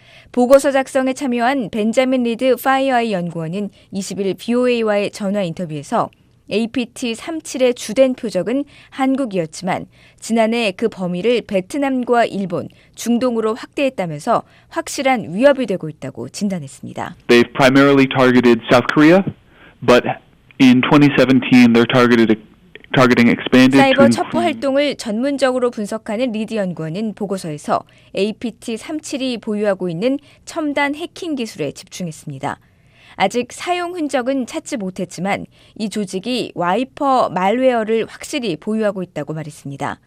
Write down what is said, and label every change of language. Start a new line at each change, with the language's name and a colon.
Korean: 보고서 작성에 참여한 벤자민 리드 파이어아이 연구원은 20일 BOA와의 전화 인터뷰에서 APT-37의 주된 표적은 한국이었지만 지난해 그 범위를 베트남과 일본, 중동으로 확대했다면서 확실한 위협이 되고 있다고 진단했습니다.
English: They've primarily targeted South Korea, but in 2017 they're targeted expanded
Korean: 사이버 첩보 활동을 전문적으로 분석하는 리드 연구원은 보고서에서 APT-37이 보유하고 있는 첨단 해킹 기술에 집중했습니다. 아직 사용 흔적은 찾지 못했지만 이 조직이 와이퍼 말웨어를 확실히 보유하고 있다고 말했습니다.